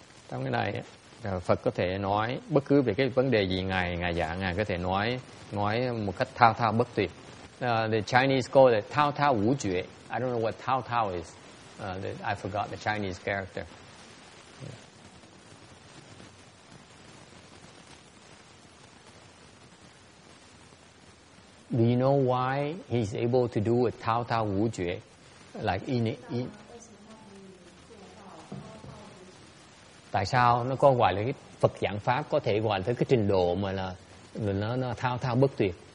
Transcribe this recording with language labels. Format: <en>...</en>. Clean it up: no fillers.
<vi>Trong cái này, Phật có thể nói bất cứ về cái vấn đề gì ngài giảng, ngài có thể nói một cách thao thao bất tuyệt.</vi> <en>The Chinese call it thao thao wu jue. I don't know what thao thao is. I forgot the Chinese character. Do you know why he's able to do a tao tao wu jue? Like in</en> <vi>tại sao nó có gọi là cái Phật giảng pháp có thể gọi tới cái trình độ mà là nó thao thao bất tuyệt.</vi>